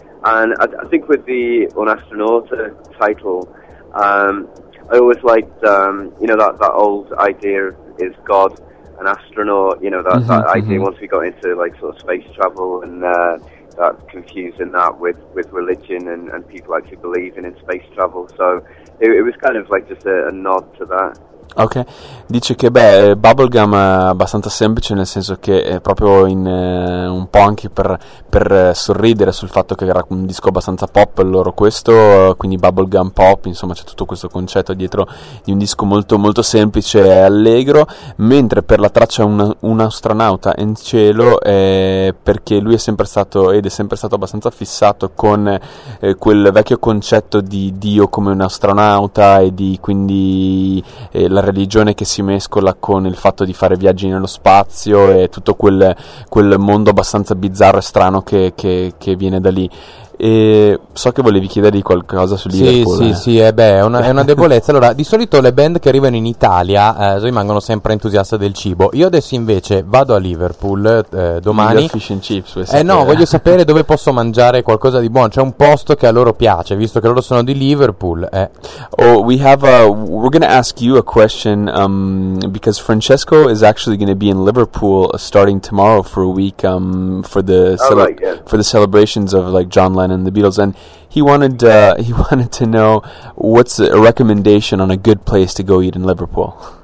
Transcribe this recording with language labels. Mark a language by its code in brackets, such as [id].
[en] And I think with the Un Astronauta title, I always liked, you know, that old idea is God an astronaut, you know, that mm-hmm. idea, once we got into like sort of space travel and that confusing that with religion and people actually believing in space travel. So it was kind of like just a nod to that. [it] Ok, dice che Bubblegum è abbastanza semplice, nel senso che è proprio un po' anche per sorridere sul fatto che era un disco abbastanza pop loro, questo, quindi Bubblegum Pop, insomma c'è tutto questo concetto dietro di un disco molto molto semplice e allegro, mentre per la traccia un astronauta in cielo è perché lui è sempre stato ed è sempre stato abbastanza fissato con quel vecchio concetto di Dio come un astronauta e di quindi la religione che si mescola con il fatto di fare viaggi nello spazio e tutto quel mondo abbastanza bizzarro e strano che viene da lì. E so che volevi chiedergli qualcosa su Liverpool. Sì, è una debolezza. Allora, di solito le band che arrivano in Italia rimangono sempre entusiaste del cibo. Io adesso invece vado a Liverpool domani. Fish and chips, voglio sapere dove posso mangiare qualcosa di buono. C'è un posto che a loro piace, visto che loro sono di Liverpool. [en] We're gonna ask you a question because Francesco is actually gonna be in Liverpool starting tomorrow for a week for the celebrations of like John and the Beatles, and he wanted to know what's a recommendation on a good place to go eat in Liverpool.